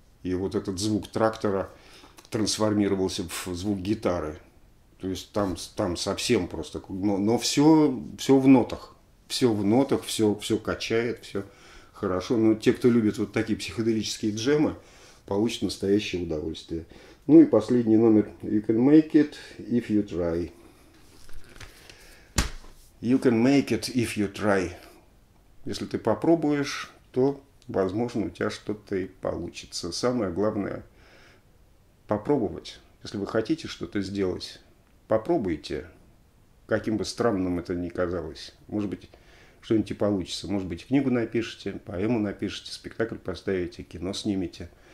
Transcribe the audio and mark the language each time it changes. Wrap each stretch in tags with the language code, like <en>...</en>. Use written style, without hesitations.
<ru>И вот этот звук трактора трансформировался в звук гитары. То есть там совсем просто. Но все в нотах. Все в нотах, все качает, все... хорошо. Но те, кто любит вот такие психоделические джемы, получат настоящее удовольствие. Ну и последний номер.</ru> <en>You can make it if you try. You can make it if you try.</en> <ru>Если ты попробуешь, то, возможно, у тебя что-то и получится. Самое главное – попробовать. Если вы хотите что-то сделать, попробуйте, каким бы странным это ни казалось. Может быть, что-нибудь и получится. Может быть, книгу напишите, поэму напишите, спектакль поставите, кино снимете.</ru>